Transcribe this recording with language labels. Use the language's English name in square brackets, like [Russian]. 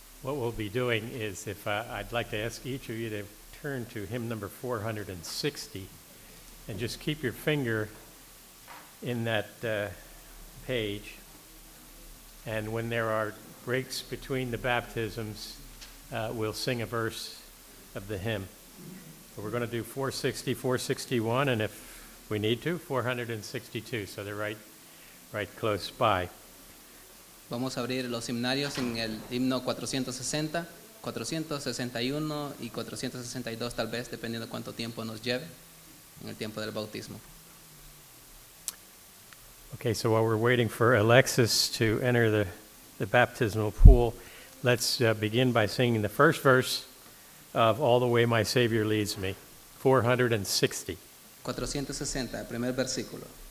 [English] What we'll be doing is, if I'd like to ask each of you to turn to hymn number 460 and just keep your finger in that page. And when there are breaks between the baptisms, we'll sing a verse of the hymn. But we're going to do 460, 461, and if we need to, 462. So they're right close by. [Spanish] Vamos a abrir los himnarios en el himno 460, 461 y 462, tal vez, dependiendo cuánto tiempo nos lleve en el tiempo del bautismo. [English] Okay, so while we're waiting for Alexis to enter the baptismal pool, let's begin by singing the first verse of All the Way My Savior Leads Me, 460. [Spanish] 460, el primer versículo.